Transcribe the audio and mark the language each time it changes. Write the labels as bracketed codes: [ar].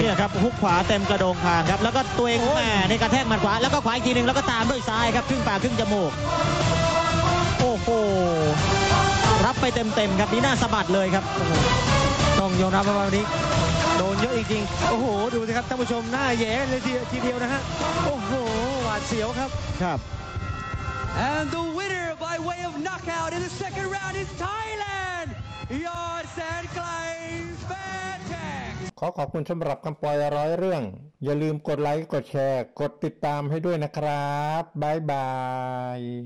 [th] นะครับฮุกขวาเต็มกระโดงคางครับแล้วก็ตัวเองแหมในกระแทกหมัดขวาแล้วก็ขวาอีกทีนึงแล้วก็ตามด้วยซ้ายครับครึ่งปากครึ่งจมูกโอ้โหรับไปเต็มๆครับนี่น่าสะบัดเลยครับ ต้องยอมรับว่าวันนี้โดนเยอะจริงๆโอ้โหดูสิครับท่านผู้ชมหน้าแย่เลยทีเดียวนะฮะโอ้โหหวาดเสียวครับ ครับ [en] And the winner by way of knockout in the second round is Thailand Yod Sanklai Fantech [th] ขอขอบคุณสำหรับคำปล่อยร้อยเรื่องอย่าลืมกดไลค์กดแชร์กดติดตามให้ด้วยนะครับบ๊ายบาย